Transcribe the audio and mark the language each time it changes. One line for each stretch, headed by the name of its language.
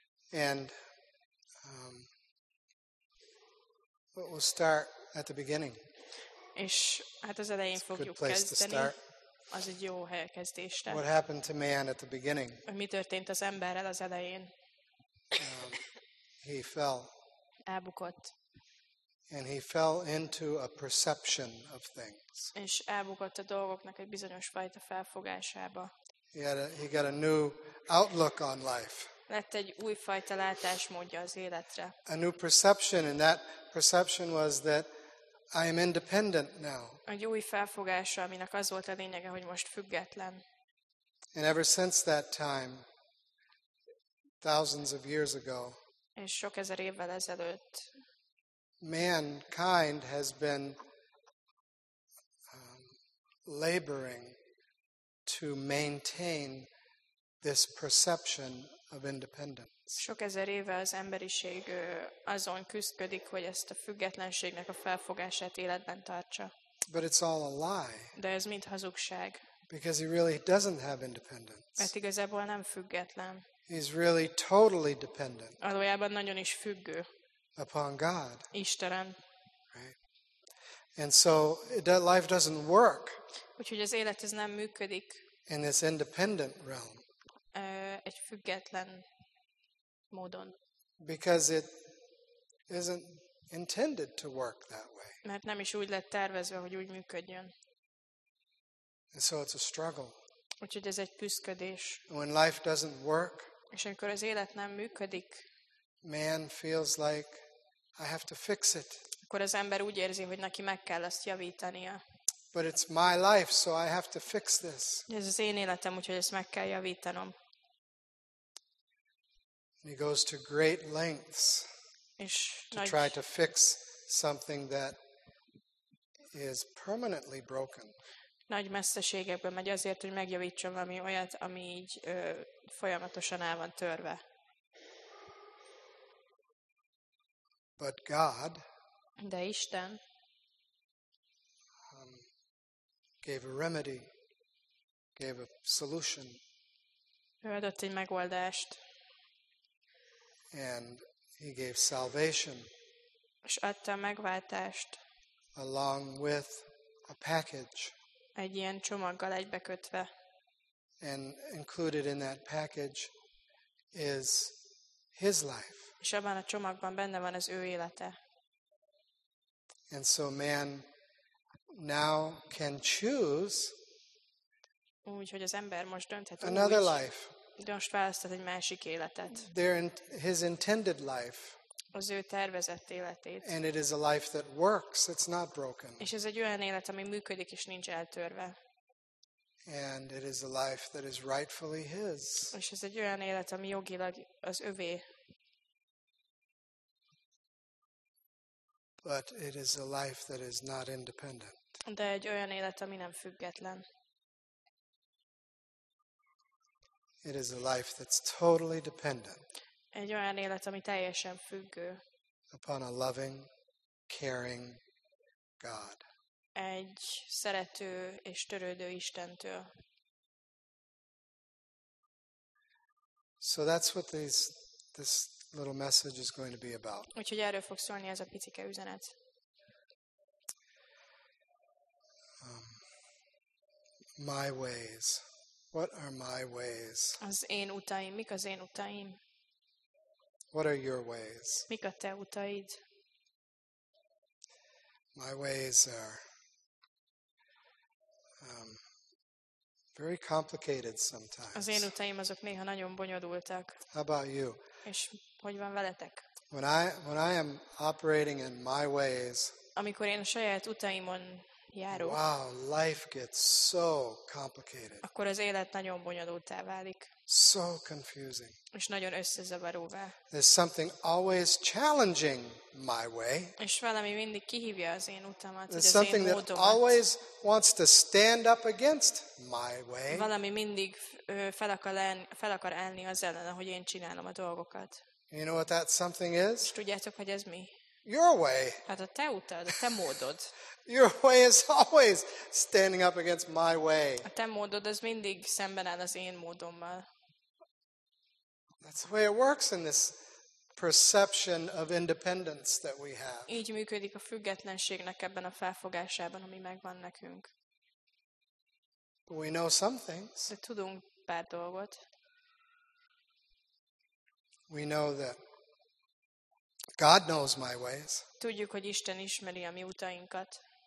English: And we'll start at the beginning.
Hungarian: És hát az elején
English: it's
Hungarian: fogjuk
English: a good place
Hungarian: kezdeni.
English: To start.
Hungarian: Az egy jó hely kezdésre.
English: What happened to man at the beginning?
Hungarian: Mi történt az emberrel az elején?
English: He fell.
Hungarian: Elbukott.
English: And he fell into a perception of things.
Hungarian: És elbukott a dolgoknak egy bizonyos fajta felfogásába.
English: He got a new outlook on life.
Hungarian: Lett egy új fajta látásmódja az életre.
English: A new perception, and that perception was that I am independent now.
Hungarian: Egy új felfogása, aminek az volt a lényege, hogy most független.
English: And ever since that time, thousands of years ago,
Hungarian: És sok ezer évvel ezelőtt
English: mankind has been laboring to maintain this perception of independence.
Hungarian: Sok ezer éve az emberiség azon küzdködik, hogy ezt a függetlenségnek a felfogását életben tartsa.
English: But it's all a lie.
Hungarian: De ez mind hazugság.
English: Because he really doesn't have independence.
Hungarian: Mert igazából nem független.
English: He's really totally dependent.
Hungarian: Valójában nagyon is függő.
English: Upon God.
Hungarian: Istenen.
English: Right. And so that life doesn't work.
Hungarian: Úgyhogy az élet ez nem működik.
English: In this independent realm.
Hungarian: Egy független módon.
English: Because it isn't intended to work that way.
Hungarian: Mert nem is úgy lett tervezve, hogy úgy működjön.
English: And so it's a struggle.
Hungarian: Úgyhogy ez egy küzdködés.
English: When life doesn't work.
Hungarian: És amikor az élet nem működik.
English: Man feels like I have to fix it.
Hungarian: Akkor az ember úgy érzi, hogy neki meg kell ezt javítania.
English: But it's my life, so I have to fix this.
Hungarian: Ez az én életem, úgyhogy ezt meg kell javítanom.
English: He goes to great lengths to try to fix something that is permanently broken.
Hungarian: Nagy messzeségekből megy azért, hogy megjavítson valami olyat, ami így folyamatosan el van törve.
English: But God,
Hungarian: de Isten,
English: gave a remedy, gave a solution.
Hungarian: Ő adott egy megoldást.
English: And he gave salvation.
Hungarian: És adta a megváltást.
English: Along with a package.
Hungarian: Egy ilyen csomaggal egybekötve.
English: And included in that package is his life.
Hungarian: És abban a csomagban benne van az ő élete.
English: And so man now can choose.
Hungarian: Úgyhogy az ember most dönthet úgy.
English: Another life.
Hungarian: Most választhat egy másik életet.
English: His intended life.
Hungarian: Az ő tervezett életét.
English: And it is a life that works, it's not broken.
Hungarian: És ez egy olyan élet, ami működik és nincs eltörve.
English: And it is a life that is rightfully his.
Hungarian: És ez egy olyan élet, ami jogilag az övé.
English: But it is a life that is not independent.
Hungarian: De egy olyan élet, ami nem független.
English: It is a life that's totally dependent.
Hungarian: Egy olyan élet, ami teljesen függő.
English: Upon a loving, caring God.
Hungarian: Egy szerető és törődő Istentől.
English: So that's what this little message is going to be about.
Hungarian: Úgyhogy erről fog szólni ez a picike üzenet.
English: My ways. What are my ways?
Hungarian: Az én utaim, mik az én utaim?
English: What are your ways?
Hungarian: Mik a te utaid?
English: My ways are very complicated sometimes.
Hungarian: Az én utaim azok néha nagyon bonyolultak.
English: How about you?
Hungarian: És hogy van veletek?
English: When I am operating in my ways.
Hungarian: Amikor én a saját utaimon járó.
English: Wow, life gets so complicated.
Hungarian: Akkor az élet nagyon bonyolultá válik.
English: So confusing.
Hungarian: És nagyon összezavaróvá.
English: There's something always challenging my way.
Hungarian: És valami mindig kihívja az én utamat, az én módomat.
English: Something that always wants to stand up against my way.
Hungarian: Valami mindig fel akar állni az ellen, ahogy én csinálom a dolgokat.
English: You know what that something is?
Hungarian: És tudjátok, hogy ez mi?
English: Your way.
Hungarian: Hát a te utad, a te módod.
English: Your way is always standing up against my way.
Hungarian: A te módod az mindig szemben áll az én módommal.
English: That's the way it works in this perception of independence that we have.
Hungarian: Így működik a függetlenségnek ebben a felfogásában, ami megvan nekünk.
English: But we know some things.
Hungarian: De tudunk pár dolgot.
English: We know that God knows my ways.
Hungarian: Tudjuk, hogy Isten ismeri a mi utainkat.